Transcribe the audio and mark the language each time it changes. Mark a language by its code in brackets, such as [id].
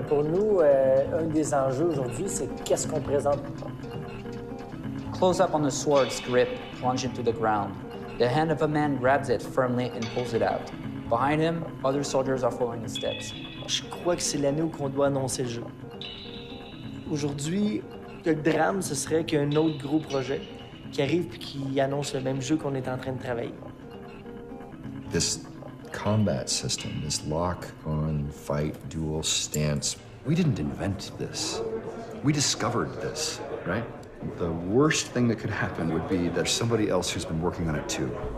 [fr] Pour nous, un des enjeux aujourd'hui, c'est qu'est-ce qu'on présente. [en] Close up on the sword's grip, plunge into the ground. The hand of a man grabs it firmly and pulls it out. Behind him, other soldiers are following his steps. [fr] Je crois que c'est l'année où qu'on doit annoncer le jeu. Aujourd'hui, le drame, ce serait qu'il y a un autre gros projet qui arrive puis qui annonce le même jeu qu'on est en train de travailler. [en] This combat system, this lock on fight duel stance, we didn't invent this. We discovered this, right? The worst thing that could happen would be there's somebody else who's been working on it too.